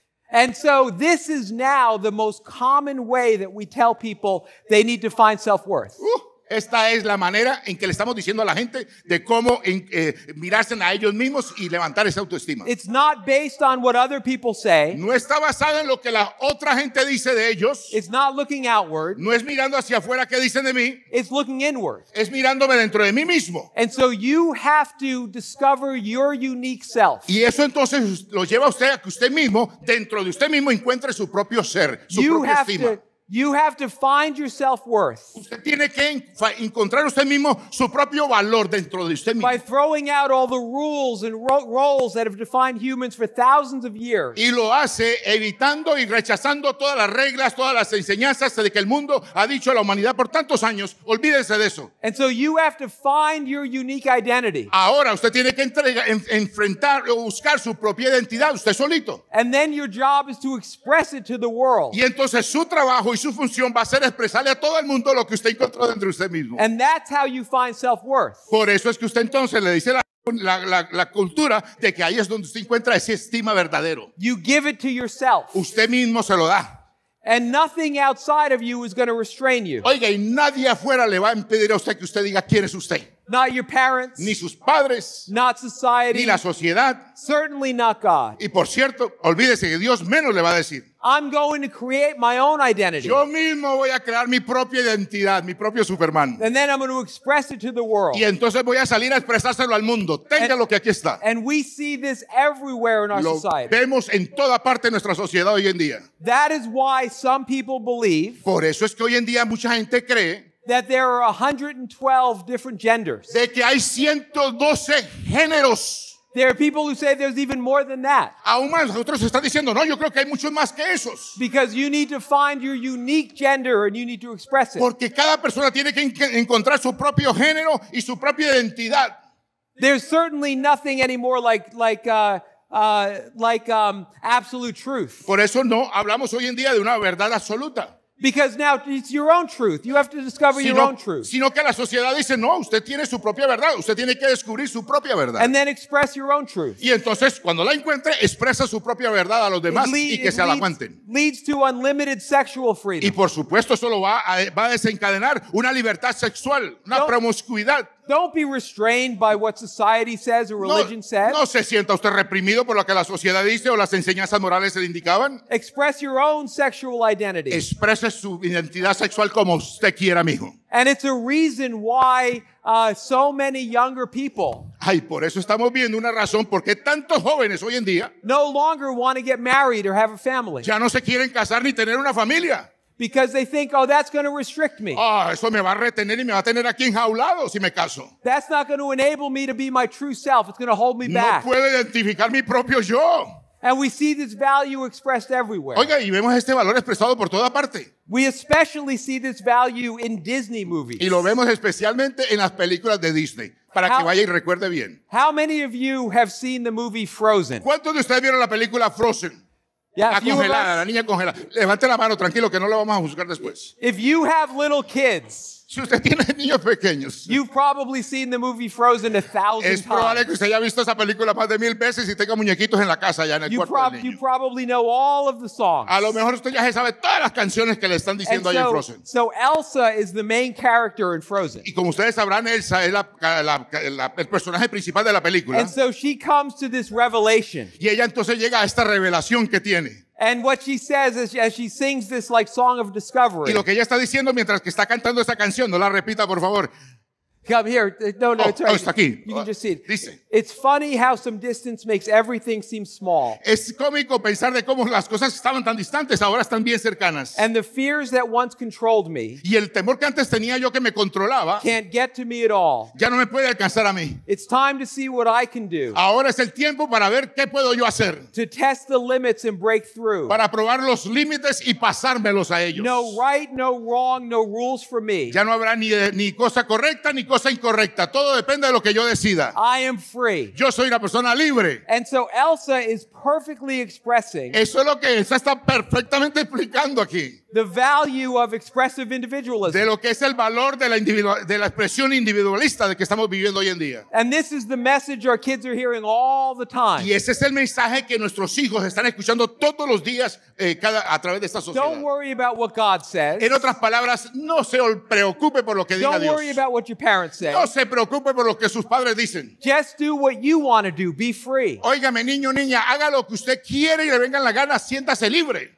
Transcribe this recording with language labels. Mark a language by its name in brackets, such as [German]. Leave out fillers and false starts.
[English] And so this is now the most common way that we tell people they need to find self-worth. [Spanish] Esta es la manera en que le estamos diciendo a la gente de cómo mirarse a ellos mismos y levantar esa autoestima. [English] It's not based on what other people say. [Spanish] No está basado en lo que la otra gente dice de ellos. [English] It's not looking outward. [Spanish] No es mirando hacia afuera qué dicen de mí. [English] It's looking inward. [Spanish] Es mirándome dentro de mí mismo. [English] And so you have to discover your unique self. [Spanish] Y eso entonces lo lleva a usted a que usted mismo, dentro de usted mismo, encuentre su propio ser, su propia estima. [English] You have to find your self-worth. [Spanish] Usted tiene que encontrar usted mismo su propio valor dentro de usted mismo. [English] By throwing out all the rules and roles that have defined humans for thousands of years. [Spanish] Y lo hace evitando y rechazando todas las reglas, todas las enseñanzas de que el mundo ha dicho a la humanidad por tantos años. Olvídese de eso. [English] And so you have to find your unique identity. [Spanish] Ahora usted tiene que enfrentar o buscar su propia identidad usted solito. [English] And then your job is to express it to the world. [Spanish] Y entonces su trabajo y su función va a ser expresarle a todo el mundo lo que usted encontró dentro de usted mismo. [English] And that's how you find self-worth. [Spanish] Por eso es que usted entonces le dice la cultura de que ahí es donde usted encuentra esa estima verdadero. [English] You give it to yourself. [Spanish] Usted mismo se lo da. [English] And nothing outside of you is going to restrain you. [Spanish] Oiga, y nadie afuera le va a impedir a usted que usted diga quién es usted. [English] Not your parents. [Spanish] Ni sus padres. [English] Not society. [Spanish] Ni la sociedad. [English] Certainly not God. [Spanish] Y por cierto, olvídese que Dios menos le va a decir. [English] I'm going to create my own identity. [Spanish] Yo mismo voy a crear mi propia identidad, mi propio Superman. [English] And then I'm going to express it to the world. [Spanish] Y entonces voy a salir a expresárselo al mundo. Tenga lo que aquí está. [English] And we see this everywhere in our society. [Spanish] Lo vemos en toda parte de nuestra sociedad hoy en día. [English] That is why some people believe. [Spanish] Por eso es que hoy en día mucha gente cree. [English] That there are 112 different genders. [Spanish] De que hay 112 géneros. [English] There are people who say there's even more than that. [Spanish] Aún más, otros están diciendo, no, yo creo que hay muchos más que esos. [English] Because you need to find your unique gender and you need to express it. [Spanish] Porque cada persona tiene que encontrar su propio género y su propia identidad. [English] There's certainly nothing anymore like absolute truth. [Spanish] Por eso no hablamos hoy en día de una verdad absoluta. [English] Because now it's your own truth. You have to discover your own truth. [Spanish] Sino que la sociedad dice, no, usted tiene su propia verdad. Usted tiene que descubrir su propia verdad. [English] And then express your own truth. [Spanish] Y entonces, cuando la encuentre, expresa su propia verdad a los demás y que se la aguanten. [English] Leads to unlimited sexual freedom. [Spanish] Y por supuesto, eso lo va a desencadenar una libertad sexual, una promiscuidad. [English] Don't be restrained by what society says or religion says. [Spanish] No se sienta usted reprimido por lo que la sociedad dice o las enseñanzas morales se le indicaban. [English] Express your own sexual identity. [Spanish] Exprese su identidad sexual como usted quiera, mijo. [English] And it's a reason why so many younger people. [Spanish] Ay, por eso estamos viendo una razón por qué tantos jóvenes hoy en día. [English] No longer want to get married or have a family. [Spanish] Ya no se quieren casar ni tener una familia. [English] Because they think, oh, that's going to restrict me. [Spanish] Ah, eso me va a retener y me va a tener aquí enjaulado si me caso. [English] That's not going to enable me to be my true self. It's going to hold me back. [Spanish] No puedo identificar mi propio yo. [English] And we see this value expressed everywhere. [Spanish] Oiga, y vemos este valor expresado por toda parte. [English] We especially see this value in Disney movies. [Spanish] Y lo vemos especialmente en las películas de Disney. Para que vaya y recuerde bien. [English] How many of you have seen the movie Frozen? [Spanish] ¿Cuántos de ustedes vieron la película Frozen? [English] Yeah, [Spanish] la congelada, la niña congelada. Levante la mano, tranquilo, que no la vamos a juzgar después. [English] If you have little kids, [Spanish] si usted tiene niños pequeños, [English] you've probably seen the movie Frozen 1,000 times. [Spanish] Es probable que usted haya visto esa película más de 1,000 veces y tenga muñequitos en la casa ya en el cuarto del niño. [English] You probably know all of the songs. [Spanish] A lo mejor usted ya sabe todas las canciones que le están diciendo ahí en Frozen. [English] So Elsa is the main character in Frozen. [Spanish] Y como ustedes sabrán, Elsa es el personaje principal de la película. [English] And so she comes to this revelation. [Spanish] Y ella entonces llega a esta revelación que tiene. [English] And what she says is, as she sings this like song of discovery. [Spanish] Y lo que ella está diciendo mientras que está cantando esa canción, no la repita, por favor. [English] Come here. No, no, oh, it's right. [Spanish] Oh, está aquí. [English] You can just see it. [Spanish] Dice. [English] It's funny how some distance makes everything seem small. [Spanish] Es cómico pensar de cómo las cosas estaban tan distantes, ahora están bien cercanas. [English] And the fears that once controlled me. [Spanish] Y el temor que antes tenía yo que me controlaba. [English] Can't get to me at all. [Spanish] Ya no me puede alcanzar a mí. [English] It's time to see what I can do. [Spanish] Ahora es el tiempo para ver qué puedo yo hacer. [English] To test the limits and break through. [Spanish] Para probar los límites y pasármelos a ellos. [English] No right, no wrong, no rules for me. [Spanish] Ya no habrá ni cosa correcta ni cosa incorrecta. Todo depende de lo que yo decida. [English] I am free. [Spanish] Yo soy una persona libre. [English] And so Elsa is perfectly expressing. [Spanish] Eso es lo que Elsa está perfectamente explicando aquí. [English] The value of expressive individualism. [Spanish] De lo que es el valor de la expresión individualista de que estamos viviendo hoy en día. [English] And this is the message our kids are hearing all the time. [Spanish] Y ese es el mensaje que nuestros hijos están escuchando todos los días a través de esta sociedad. [English] Don't worry about what God says. [Spanish] En otras palabras, no se preocupe por lo que diga Dios. [English] Don't worry about what your parents parents say. [Spanish] No se preocupe por lo que sus padres dicen. [English] Just do what you want to do. Be free. [Spanish] Óigame, niño, niña, haga lo que usted quiere y le vengan las ganas, siéntase libre.